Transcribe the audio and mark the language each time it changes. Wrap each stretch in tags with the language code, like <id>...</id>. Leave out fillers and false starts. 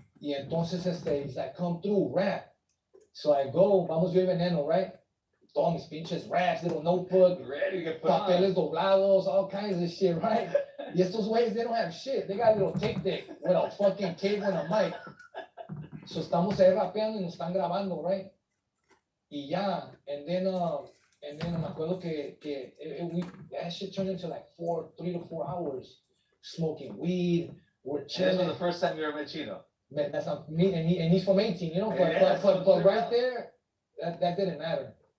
<es>Y entonces,</es> <en>he's like, come through, rap. So I go,</en> <es>vamos yo y Veneno,</es> <en>right? Throw</en> <es>mis pinches,</es> <en>raps, little notebook. Ready to get</en> <es>papeles doblados,</es> <en>all kinds of shit, right?</en> <es>Y estos weyes,</es> <en>they don't have shit. They got a little tape deck with a fucking cable and a mic.</en> <es>So estamos ahí rapeando y nos están grabando, right? Y ya,</es> <en>and then</en> <es>me acuerdo que</es> <en>that shit turned into like three to four hours smoking weed. We're chilling. This was the first time you ever met Chino. That's not me, and he's from 18, you know. But yeah, but right there, that didn't matter.</en>